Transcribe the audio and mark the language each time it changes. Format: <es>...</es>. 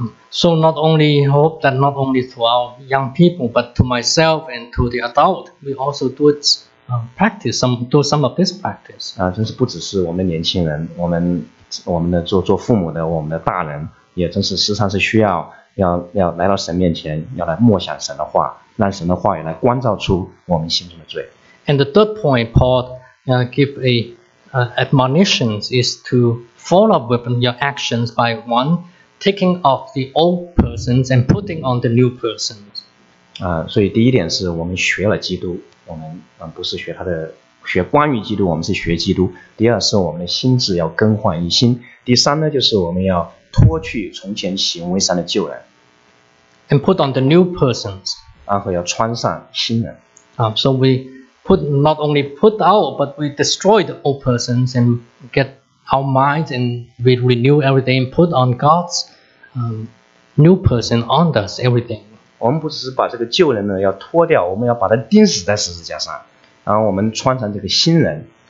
<en>So not only hope that not only to our young people, but to myself and to the adult, we also do it, practice some, do some of this practice.</en> <zh>真是不只是我们年轻人，我们的做父母的，我们的大人，也真是时常是需要要来到神面前，要来默想神的话，让神的话语来光照出我们心中的罪。</zh> <en>And the third point, Paul, give a, admonitions is to follow up with your actions by one. Taking off the old persons and putting on the new persons.</en> <zh>所以第一点是我们学了基督，我们不是学他的，学关于基督，我们是学基督。第二是我们的心智要更换一新。第三呢，就是我们要脱去从前行为上的旧人。</zh> <en>And put on the new persons.</en> <zh>然后要穿上新人。</zh> <en>So we put not only put out, but we destroy the old persons and get. Our minds and we renew everything, put on God's new person on us, everything.</en> <zh>我们不只是把这个旧人呢要脱掉，我们要把它钉死在十字架上，然后我们穿上这个新人。</zh>